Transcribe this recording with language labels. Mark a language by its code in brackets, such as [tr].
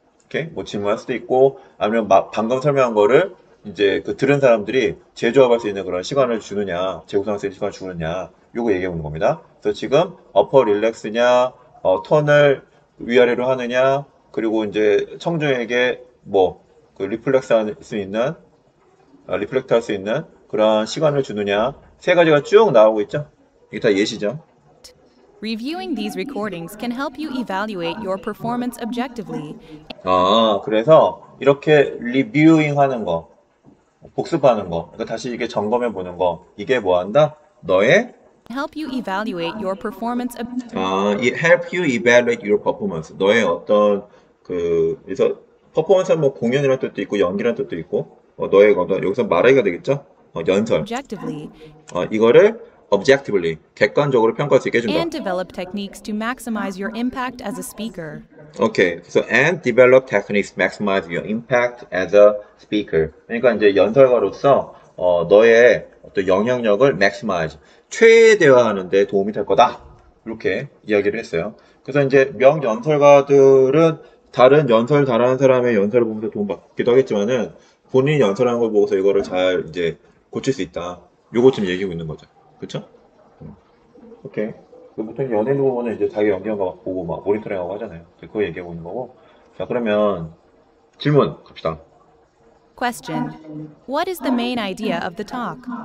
[ko] 이렇게 뭐 질문할 수도 있고 아니면 방금 설명한 거를 이제 그 들은 사람들이 재조합할 수 있는 그런 시간을 주느냐, 재구성할 수 있는 시간을 주느냐, 요거 얘기하는 겁니다. 그래서 지금 어퍼 릴렉스냐, 턴을 위아래로 하느냐, 그리고 이제 청중에게 뭐 그 리플렉스 할 수 있는 리플렉트 할 수 있는 그런 시간을 주느냐 세 가지가 쭉 나오고 있죠. 이게 다 예시죠. [en] Reviewing these recordings can help you evaluate your performance objectively. [ko] 그래서 이렇게 리뷰잉 하는 거 복습하는 거 그러니까 다시 이게 점검해 보는 거 이게 뭐 한다? 너의 [en] help you evaluate your performance It help you evaluate your performance. [ko] 너의 어떤 그래서 퍼포먼스는 뭐 공연이란 뜻도 있고 연기란 뜻도 있고 너의 거다 여기서 말하기가 되겠죠? 연설. [en] Objectively. [ko] 이거를 objectively 객관적으로 평가할 수 있게 해준다. [en] And develop techniques to maximize your impact as a speaker. Okay. So, and develop techniques maximize your impact as a speaker. [ko] 그러니까 이제 연설가로서 너의 어떤 영향력을 maximize, 최대화하는 데 도움이 될 거다. 이렇게 이야기를 했어요. 그래서 이제 명 연설가들은 다른 연설 잘하는 사람의 연설을 보면서 도움 받기도 하겠지만은 본인이 연설하는 걸 보고서 이거를 잘 이제 고칠 수 있다. 요거 지금 얘기하고 있는 거죠. 그쵸? 오케이. 보통 연예인 부분은 이제 자기 연기한 거 보고 막 모니터링하고 하잖아요. 그거 얘기하고 있는 거고. 자, 그러면 질문 갑시다. [en] Question. What is the main idea of the talk?